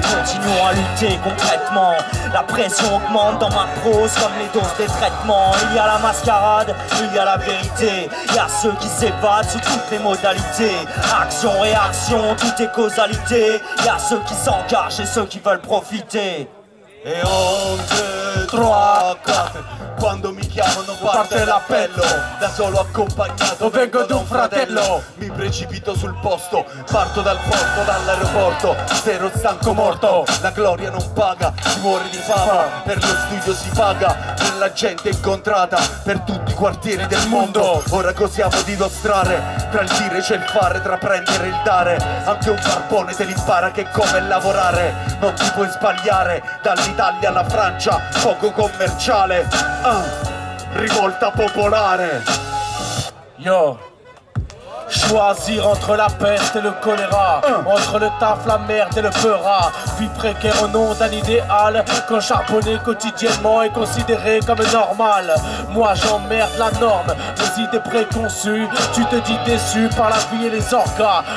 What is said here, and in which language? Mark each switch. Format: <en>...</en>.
<fr>Continuons à lutter concrètement. La pression augmente dans ma prose comme les doses des traitements. Il y a la mascarade, il y a la vérité. Il y a ceux qui s'évadent sous toutes les modalités. Action, réaction, tout est causalité. Il y a ceux qui s'engagent et ceux qui veulent profiter. Et 1, 2, 3, 4.</fr> <it>Quando mi chiamano parte l'appello. Da solo accompagnato vengo da un fratello. Mi precipito sul posto, parto dal porto, dall'aeroporto. Zero stanco morto. La gloria non paga, si muore di fama. Per lo studio si paga, per la gente incontrata, per tutti i quartieri del mondo. Ora cosiamo di dostrare, tra il dire c'è il fare, tra prendere il dare. Anche un barbone se li impara che come lavorare. Non ti puoi sbagliare, dall'Italia alla Francia, poco commerciale. Rivolta popolare. Yo.</it> <fr>Choisir entre la peste et le choléra. Entre le taf, la merde et le peura. Vie précaire au nom d'un idéal. Qu'en charbonner quotidiennement est considéré comme normal. Moi j'emmerde la norme, les idées préconçues. Tu te dis déçu par la vie et les orgas.</fr>